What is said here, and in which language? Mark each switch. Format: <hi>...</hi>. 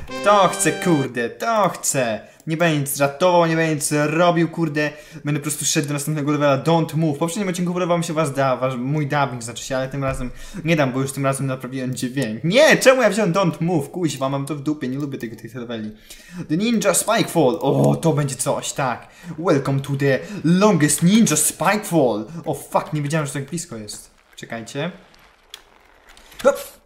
<pl>To chcę, kurde, to chcę! Nie będę nic żartował, nie będę nic robił, kurde. Będę po prostu szedł do następnego levela, don't move. W poprzednim odcinku podobał mi się mój dubbing, znaczy się, ale tym razem nie dam, bo już tym razem naprawiłem dźwięk. Nie, czemu ja wziąłem don't move, kuźwa, mam to w dupie, nie lubię tego tej leveli. The Ninja Spikefall, o, to będzie coś, tak.</pl> <en>Welcome to the longest Ninja Spikefall.</en> <pl>O, fuck, nie wiedziałem, że tak blisko jest. Czekajcie. Hop!</pl>